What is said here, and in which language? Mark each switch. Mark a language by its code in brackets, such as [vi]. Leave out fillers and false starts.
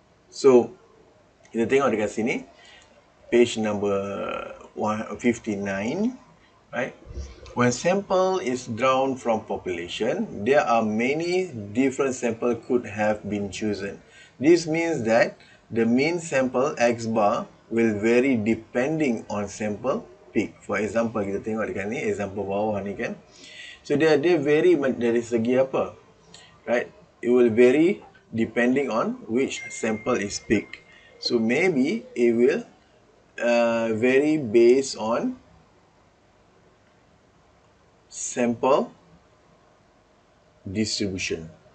[ms] So kita tengok dekat sini [en] page number 159, right? When sample is drawn from population, there are many different sample could have been chosen. This means that the mean sample X bar will vary depending on sample peak. For example, [ms] kita tengok dekat ni, example bawah ni kan. [en] So, they vary [ms] dari segi apa? [en] Right? It will vary depending on which sample is peak. So, maybe it will vary based on sample distribution.